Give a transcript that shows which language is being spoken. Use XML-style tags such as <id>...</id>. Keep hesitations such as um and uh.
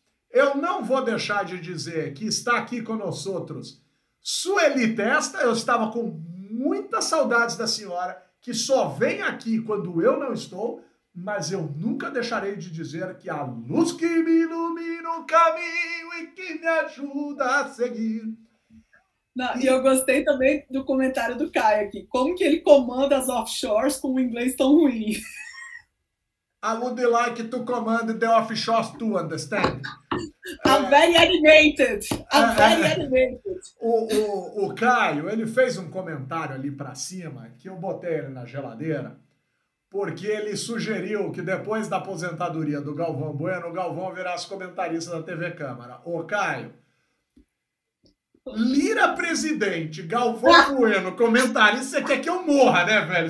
<pt>Eu não vou deixar de dizer que está aqui conosco outros Sueli Testa, eu estava com muitas saudades da senhora, que só vem aqui quando eu não estou, mas eu nunca deixarei de dizer que a luz que me ilumina o caminho e que me ajuda a seguir Não, e eu gostei também do comentário do Caio aqui. Como que ele comanda as offshores com um inglês tão ruim?</pt> <en>I would like to command the offshore to understand. I'm very animated. I'm very animated.</en> <pt>O, o, o Caio, ele fez um comentário ali pra cima, que eu botei ele na geladeira, porque ele sugeriu que depois da aposentadoria do Galvão Bueno, o Galvão virasse comentarista da TV Câmara. Ô, Caio, Lira presidente, Galvão Bueno comentarista, você quer que eu morra, né, velho?</pt>